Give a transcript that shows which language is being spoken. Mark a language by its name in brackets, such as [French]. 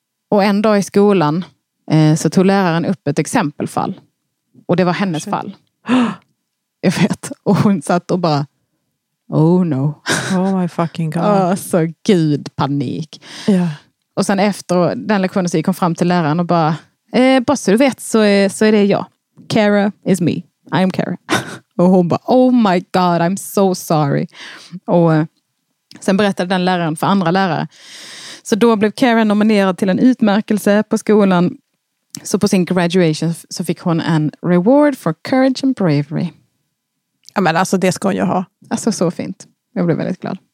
[Swedish] Och en dag i skolan så tog läraren upp ett exempelfall. Och det var hennes fall. Jag vet. Och hon satt och bara, [English] oh no. Oh my fucking god. [Swedish] Alltså gud, panik. [English] Yeah. [Swedish] Och sen efter den lektionen så gick hon fram till läraren och bara, bara så du vet så är det jag. [English] Cara is me. I am Cara. [Swedish] Och hon bara, [English] oh my god, I'm so sorry. [Swedish] Och sen berättade den läraren för andra lärare. Så då blev Cara nominerad till en utmärkelse på skolan. Så på sin graduation så fick hon en [English] reward for courage and bravery. [Swedish] Ja, men alltså det ska hon ju ha. Alltså så fint. Jag blev väldigt glad.